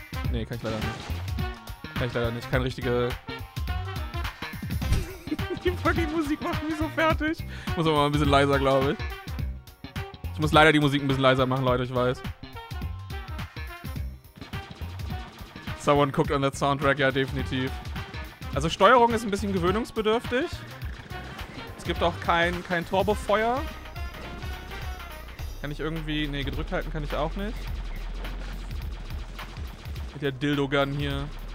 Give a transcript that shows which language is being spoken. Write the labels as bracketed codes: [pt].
[de] Nee, kann ich leider nicht. Kein richtige. Die fucking Musik macht mich so fertig. Muss aber mal ein bisschen leiser, glaube ich. Ich muss leider die Musik ein bisschen leiser machen, Leute, ich weiß. [en] Someone cooked on that soundtrack, [de] ja, definitiv. Also Steuerung ist ein bisschen gewöhnungsbedürftig. Es gibt auch kein Turbofeuer. Kann ich irgendwie... Nee, gedrückt halten kann ich auch nicht. Mit der Dildo-Gun hier.